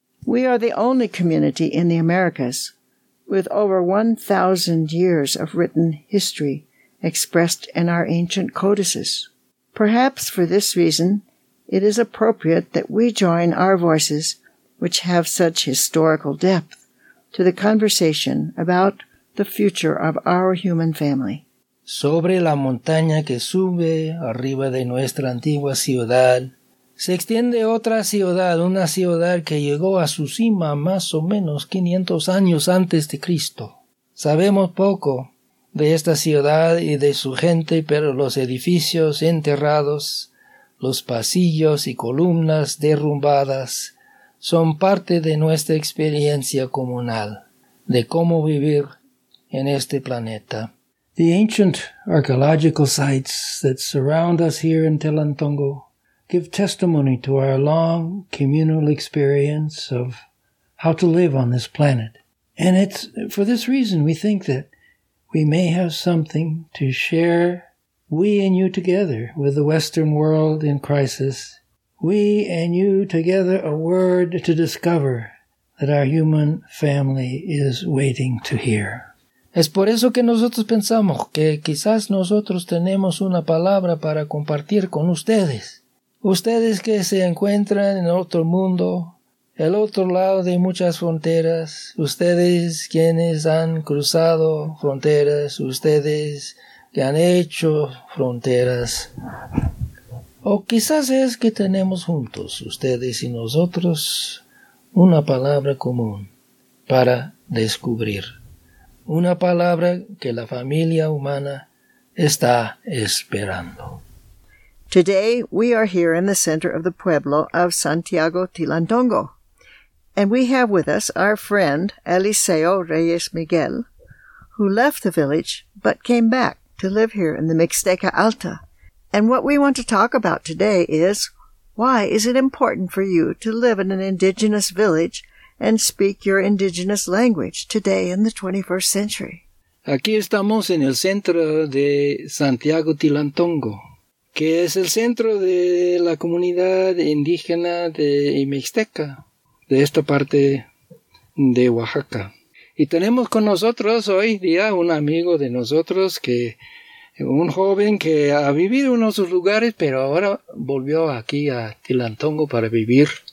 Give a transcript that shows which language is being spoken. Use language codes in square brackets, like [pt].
[en] We are the only community in the Americas with over 1,000 years of written history expressed in our ancient codices. Perhaps for this reason, it is appropriate that we join our voices, which have such historical depth, to the conversation about the future of our human family. [es] Sobre la montaña que sube arriba de nuestra antigua ciudad, se extiende otra ciudad, una ciudad que llegó a su cima más o menos 500 años antes de Cristo. Sabemos poco de esta ciudad y de su gente, pero los edificios enterrados, los pasillos y columnas derrumbadas son parte de nuestra experiencia comunal de cómo vivir en este planeta. [en] The ancient archaeological sites that surround us here in Tilantongo give testimony to our long communal experience of how to live on this planet. And it's for this reason we think that we may have something to share, we and you together, with the Western world in crisis. We and you together, a word to discover that our human family is waiting to hear. [es] Es por eso que nosotros pensamos que quizás nosotros tenemos una palabra para compartir con ustedes. Ustedes que se encuentran en otro mundo, el otro lado de muchas fronteras, ustedes quienes han cruzado fronteras, ustedes que han hecho fronteras, o quizás es que tenemos juntos, ustedes y nosotros, una palabra común para descubrir, una palabra que la familia humana está esperando. [en] Today, we are here in the center of the pueblo of Santiago Tilandongo, and we have with us our friend Eliseo Reyes Miguel, who left the village but came back to live here in the Mixteca Alta. And what we want to talk about today is, why is it important for you to live in an indigenous village and speak your indigenous language today in the 21st century? [es] Aquí estamos en el centro de Santiago Tilantongo, que es el centro de la comunidad indígena de Mixteca, de esta parte de Oaxaca. Y tenemos con nosotros hoy día un amigo de nosotros, que un joven que ha vivido en otros lugares, pero ahora volvió aquí a Tilantongo para vivir.